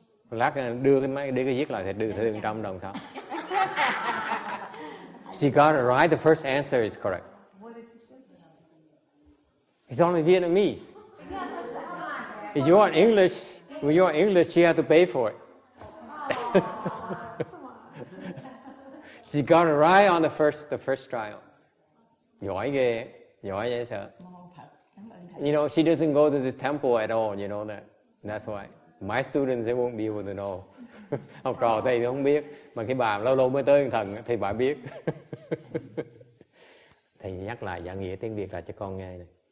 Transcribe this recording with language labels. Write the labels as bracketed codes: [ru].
[vi] Lát đưa cái máy, đưa cái viết lại thì đưa thêm $100 sao. [en] She got it right. The first answer is correct. It's only Vietnamese. If you want English, when you want English, she had to pay for it. She got it right on the first trial. [vi] Giỏi ghê, giỏi dễ sợ. [en] You know, she doesn't go to this temple at all, you know that. That's why. My students, they won't be able to know. [vi] Học trò thầy thì không biết. Mà cái bà lâu lâu mới tới thần, thì bà biết. Thầy nhắc lại giảng nghĩa tiếng Việt lại cho con nghe này.